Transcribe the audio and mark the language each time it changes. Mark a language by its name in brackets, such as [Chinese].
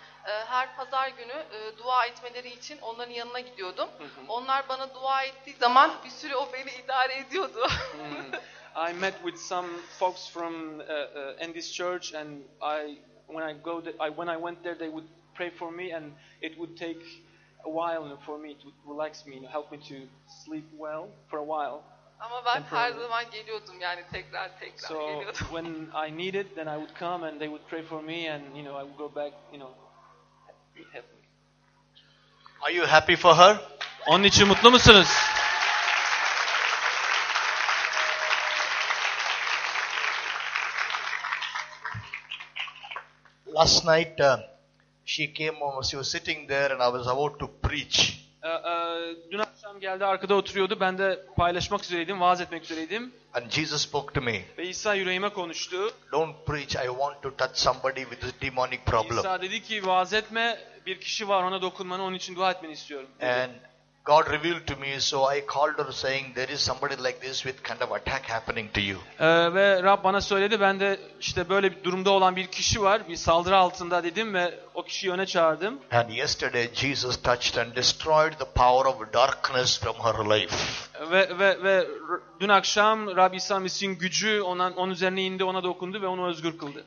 [Turkish] Her pazar günü dua etmeleri için onların yanına gidiyordum. Mm-hmm. Onlar bana dua ettiği zaman bir süre o beni idare ediyordu. [English] I met with some folks from Andy's church and when I went there they would pray for me and it would take a while for me to relax me, you know, help me to sleep well for a while. [Turkish] Ama ben her zaman geliyordum yani tekrar [English] so [Turkish] geliyordum. [English] So when I needed then I would come and they would pray for me and you know I would go back, you know, help me. Are you happy for her? [Turkish] Onun için mutlu musunuz? [English] Last night she came home, she was sitting there and I was about to preach. [Turkish] Dün akşam geldi, arkada oturuyordu. Ben de paylaşmak üzereydim, vaaz etmek üzereydim. [English] And Jesus spoke to me. [Turkish] Ve İsa yüreğime konuştu. [English] Don't preach, I want to touch somebody with this demonic problem. [Turkish] İsa dedi ki, vaaz etme, bir kişi var, ona dokunmanı, onun için dua etmeni istiyorum. [English] And God revealed to me, so I called her saying, there is somebody like this with kind of attack happening to you. [Turkish] Ve Rab bana söyledi, ben de işte böyle bir durumda olan bir kişi var, bir saldırı altında dedim ve o kişiyi öne çağırdım. [English] And yesterday Jesus touched and destroyed the power of darkness from her life. [Turkish] Ve dün akşam Rab İsa Mesih'in gücü onun üzerine indi, ona dokundu ve onu özgür kıldı.